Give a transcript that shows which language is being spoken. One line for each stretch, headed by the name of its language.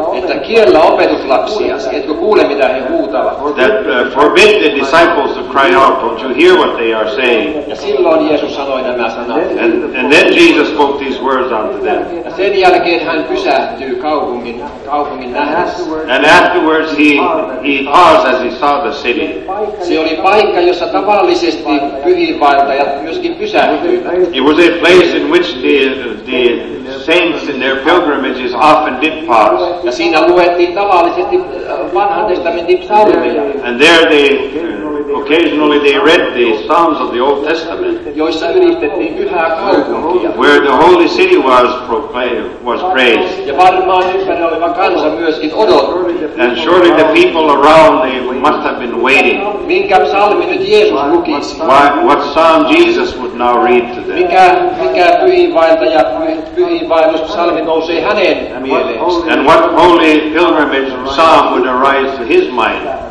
Finnish: Että kiellä opetuslapsia. Etkö kuule mitä he huutavat?
English: That forbid the disciples to cry out. Don't you hear what they are saying?
Finnish: Ja silloin Jeesus sanoi nämä sanat.
English: And then Jesus spoke these words unto them.
Finnish: Ja sen jälkeen hän pysähtyy kaupungin lähes.
English: And afterwards he paused as he saw the city.
Finnish: Se oli paikka, jossa tavallisesti pyhiinvaeltajat myöskin pysähtyivät.
English: It was a place in which the saints in their pilgrimages often did pause.
Finnish: Ja siinä luettiin tavallisesti Vanhan testamentin psalmeja.
English: And there they occasionally they read the Psalms of the Old Testament,
Finnish: joissa ylistettiin pyhää kaupunkia,
English: where the holy city was praised.
Finnish: Ja varmaan ympärillä oleva kansa myöskin odotti.
English: And surely the people around they must have been waiting.
Finnish: Minkä psalmi nyt Jeesus lukisi?
English: What psalm Jesus would now read to them?
Finnish: Mikä pyhiinvaeltaja, pyhiinvaellus psalmi nousee hänen mieleensä?
English: And what holy pilgrimage psalm would arise to his mind?